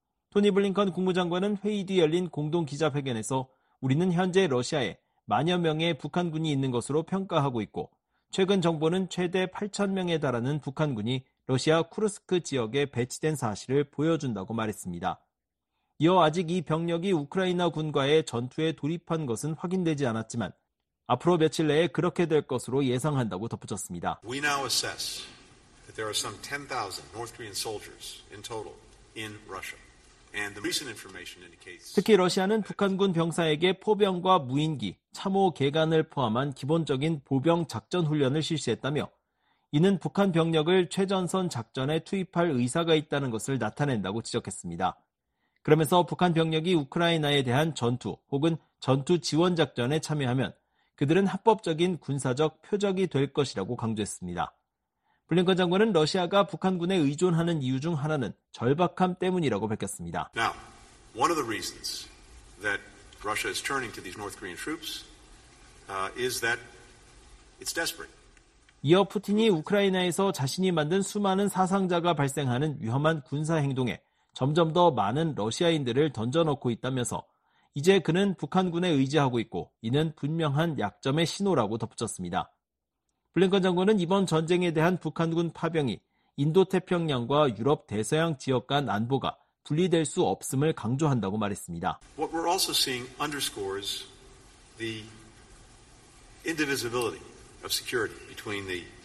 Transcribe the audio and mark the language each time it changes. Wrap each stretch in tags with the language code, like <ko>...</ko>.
<ko>토니 블링컨 국무장관은 회의 뒤 열린 공동 기자회견에서 우리는 현재 러시아에 만여 명의 북한군이 있는 것으로 평가하고 있고 최근 정보는 최대 8천 명에 달하는 북한군이 러시아 쿠르스크 지역에 배치된 사실을 보여준다고 말했습니다. 이어 아직 이 병력이 우크라이나 군과의 전투에 돌입한 것은 확인되지 않았지만 앞으로 며칠 내에 그렇게 될 것으로 예상한다고 덧붙였습니다.</ko> <en>We now assess that there are some 10,000 North Korean soldiers in total in Russia. And the recent information indicates</en> <ko>특히 러시아는 북한군 병사에게 포병과 무인기, 참호 개간을 포함한 기본적인 보병 작전 훈련을 실시했다며 이는 북한 병력을 최전선 작전에 투입할 의사가 있다는 것을 나타낸다고 지적했습니다. 그러면서 북한 병력이 우크라이나에 대한 전투 혹은 전투 지원 작전에 참여하면 그들은 합법적인 군사적 표적이 될 것이라고 강조했습니다. 블링컨 장관은 러시아가 북한군에 의존하는 이유 중 하나는 절박함 때문이라고 밝혔습니다.</ko> <en>Now, one of the reasons that Russia is turning to these North Korean troops is that it's desperate.</en> <ko>이어 푸틴이 우크라이나에서 자신이 만든 수많은 사상자가 발생하는 위험한 군사 행동에 점점 더 많은 러시아인들을 던져놓고 있다면서 이제 그는 북한군에 의지하고 있고 이는 분명한 약점의 신호라고 덧붙였습니다. 블링컨 장관은 이번 전쟁에 대한 북한군 파병이 인도태평양과 유럽 대서양 지역 간 안보가 분리될 수 없음을 강조한다고 말했습니다.</ko> <en>What we're also seeing underscores the indivisibility of security between the</en>